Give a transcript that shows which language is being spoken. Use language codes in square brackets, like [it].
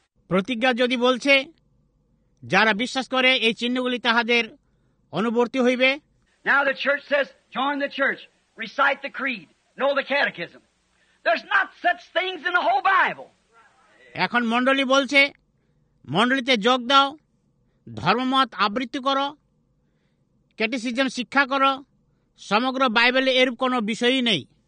[bn] প্রতিজ্ঞা যদি বলছে, যারা বিশ্বাস করে এই চিহ্নগুলি তাহাদের অনুবর্তী হইবে। [en] Now the church says, join the church, recite the creed, know the catechism. There's not such things in the whole Bible. [bn] এখন মণ্ডলী বলছে, মণ্ডলীতে যোগ দাও, ধর্মমত আবৃত্তি করো, ক্যাটেসিজম শিক্ষা করো, সমগ্র বাইবেলে এরূপ কোন বিষয়ই নেই।